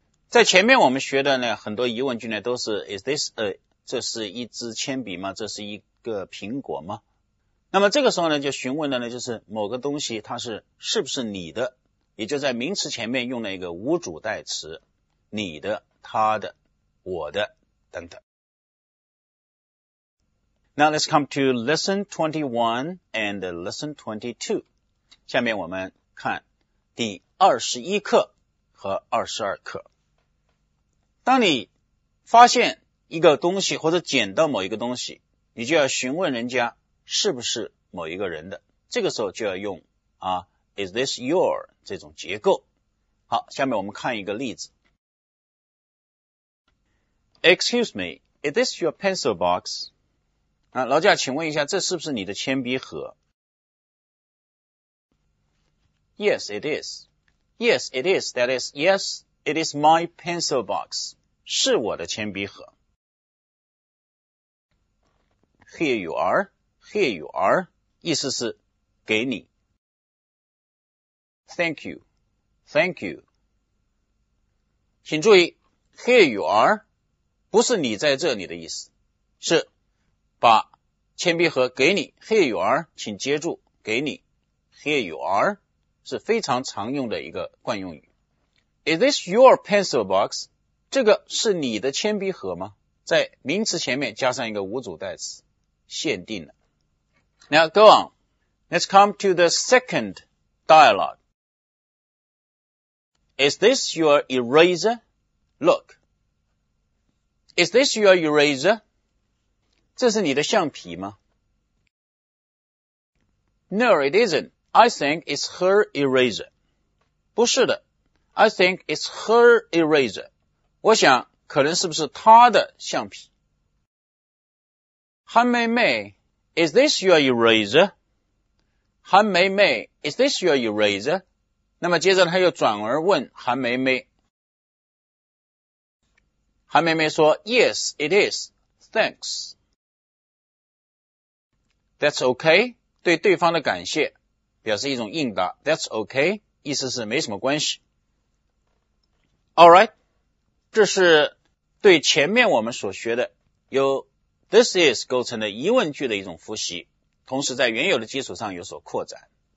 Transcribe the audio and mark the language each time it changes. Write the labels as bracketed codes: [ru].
[zh] 在前面我们学的呢，很多疑问句呢，都是 [en] Is this a, [zh] 这是一支铅笔吗？这是一个苹果吗？那么这个时候呢，就询问的呢，就是某个东西它是是不是你的，也就在名词前面用了一个无主代词，你的、他的、我的等等。 [en] Now let's come to lesson 21 and lesson 22. [zh] 下面我们看第21课和22课。当你发现一个东西或者捡到某一个东西，你就要询问人家是不是某一个人的，这个时候就要用啊 Is this your 这种结构。好，下面我们看一个例子。 [en] Excuse me, is this your pencil box? [zh] 啊，劳驾，请问一下，这是不是你的铅笔盒？ [en] Yes, it is. Yes, it is. That is, yes, it is my pencil box. [zh] 是我的铅笔盒。 [en] Here you are. Here you are, [zh] 意思是给你。 [en] Thank you, thank you. [zh] 请注意 , [en] here you are, [zh] 不是你在这里的意思，是把铅笔盒给你。 [en] Here you are, [zh] 请接住给你。 [en] Here you are, [zh] 是非常常用的一个惯用语。 [en] Is this your pencil box? [zh] 这个是你的铅笔盒吗？在名词前面加上一个无主代词，限定了。 [en] Now go on. Let's come to the second dialogue. Is this your eraser? Look. Is this your eraser? [zh] 这是你的橡皮吗？ [en] No, it isn't. I think it's her eraser. [zh] 不是的。 [en] I think it's her eraser. [zh] 我想可能是不是她的橡皮。 [en] 韩妹妹Is this your eraser? 韩梅梅 Is this your eraser? [zh] 那么接着他又转而问韩梅梅。 [en] 韩梅梅说 Yes, it is. Thanks. That's okay. [zh] 对对方的感谢表示一种应答。 [en] That's okay. [zh] 意思是没什么关系。 [en] Alright. [zh] 这是对前面我们所学的有This is 构成了疑问句的一种复习，同时在原有的基础上有所扩展。